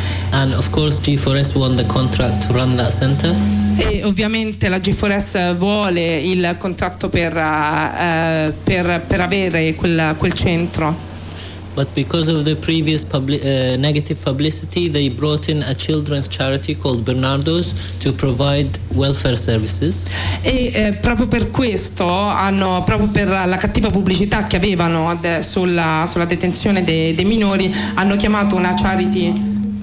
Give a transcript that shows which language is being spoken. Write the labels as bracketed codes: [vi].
[en] And of course G4S won the contract to run that center. [it] E ovviamente la G4S vuole il contratto per avere quel centro. [en] But because of the previous negative publicity, they brought in a children's charity called Bernardo's to provide welfare services. [it] Proprio per questo proprio per la cattiva pubblicità che avevano sulla detenzione dei minori, hanno chiamato una charity.